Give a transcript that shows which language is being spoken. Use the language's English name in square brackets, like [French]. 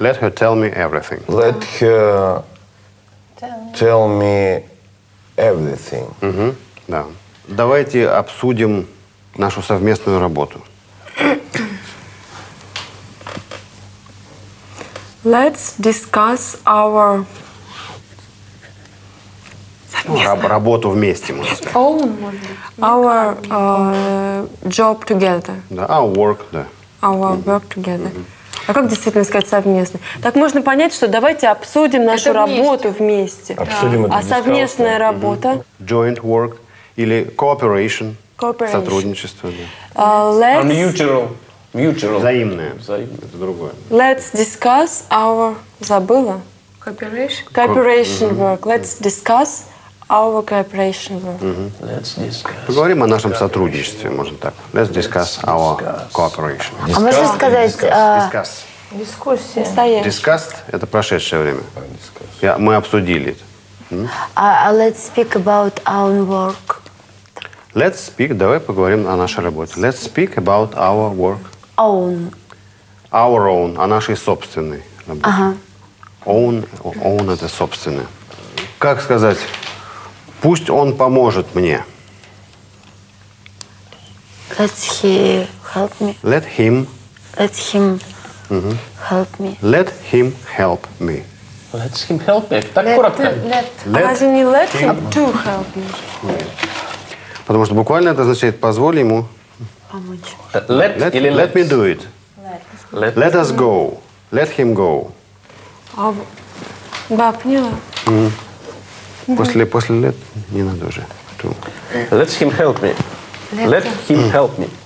[English] Let her tell me everything. Let her tell me everything. [Russian] Угу, да. Давайте обсудим нашу совместную работу. [English] Let's discuss our... [Russian] Работу вместе, можно сказать. [English] Our job together. [Russian] Да, [English] our work, да. Our work together. [Russian] Mm-hmm. А как действительно сказать совместно? Так можно понять, что давайте обсудим нашу это работу вместе. Обсудим это. А совместная работа? [English] Joint work [Russian] или [English] cooperation. Cooperation. [Russian] Сотрудничество, да. [English] Mutual. Mutual. [Russian] Взаимное. Взаимное. Это другое. [English] Let's discuss our... [Russian] Забыла? [English] Cooperation. Cooperation work. Let's discuss... Our cooperation work. Mm-hmm. Let's discuss. [Russian] Поговорим о нашем сотрудничестве, можно так. [English] Let's discuss our cooperation. Discuss. [Russian] А можно сказать... [English] Discuss. [Russian] Дискуссия. Настоящая. [English] Discussed [Russian] – это прошедшее время. Мы обсудили это. [English] Let's speak about our work. Let's speak [Russian] – давай поговорим о нашей работе. [English] Let's speak about our work. Own. Our own [Russian] – о нашей собственной работе. Ага. Own – это собственное. Как сказать... Пусть он поможет мне. [English] Let he help me. Let him. Let him help me. Let him help me. Let him help me. [Russian] Так let, коротко. [English] Let. [Russian] Разве не [English] let him to help me? [Russian] Потому что буквально это означает «позволь ему помочь». [English] Let me do it. Let us go. Let him go. [Russian] А, да, поняла. Mm-hmm. Да. После let не надо уже. [English] Let him help me. Let him help me.